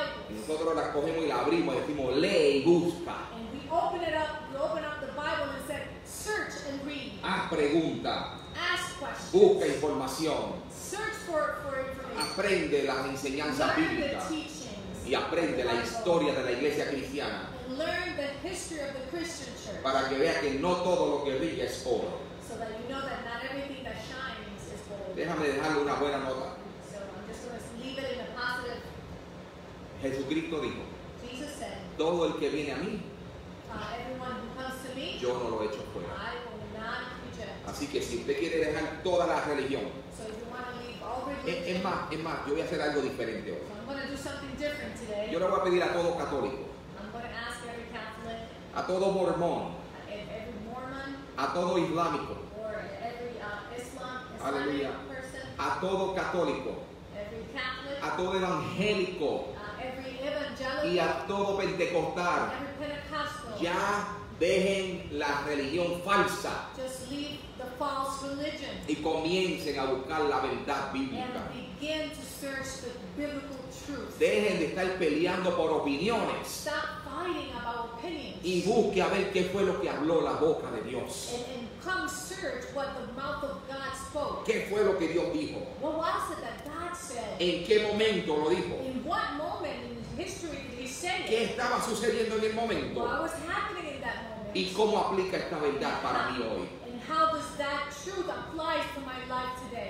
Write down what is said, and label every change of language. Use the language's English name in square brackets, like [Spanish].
[Spanish] Nosotros la cogemos y la abrimos y decimos, lee y busca. [English] And we open it up, we open up the Bible and said, search and read. [Spanish] Haz pregunta. [English] Ask questions. [Spanish] Busca información. [English] Search for information. [Spanish] Aprende las enseñanzas bíblicas. Y aprende la historia de la iglesia cristiana. [English] And learn the history of the Christian church. [Spanish] Para que vea que no todo lo que brilla es oro. [English] So that you know that not everything that shines is gold. [Spanish] Déjame dejarle una buena nota. [English] So I'm just going to leave it in a positive. [Spanish] Jesucristo dijo, [English] Jesus said, [Spanish] todo el que viene a mí, [English] everyone who comes to me, [Spanish] yo no lo echo fuera. [English] I will not reject. [Spanish] Así que si usted quiere dejar toda la religión, [English] so if you want to leave all religion, [Spanish] es más, yo voy a hacer algo diferente hoy. [English] So I'm going to do something different today. [Spanish] Yo le voy a pedir a todo católico, [English] I'm going to ask every Catholic, [Spanish] a todo mormón, [English] every Mormon, [Spanish] a todo islámico, [English] or every Islamic person, [Spanish] a todo católico, [English] every Catholic, [Spanish] a todo evangélico, y a todo pentecostal, ya dejen la religión falsa. [English] Just leave the false religion. [Spanish] Y comiencen a buscar la verdad bíblica. [English] And begin to search the biblical truth. [Spanish] Dejen de estar peleando por opiniones. [English] Stop fighting about opinions. [Spanish] Y busque a ver qué fue lo que habló la boca de Dios. [English] And come search what the mouth of God spoke. [Spanish] ¿Qué fue lo que Dios dijo? [English] What was it that God said? [Spanish] ¿En qué momento lo dijo? [English] In what moment in history did he say it? [Spanish] ¿Qué estaba sucediendo en el momento? [English] What was happening in that moment? [Spanish] ¿Y cómo aplica esta verdad para mí hoy? [English] And how does that truth apply to my life today?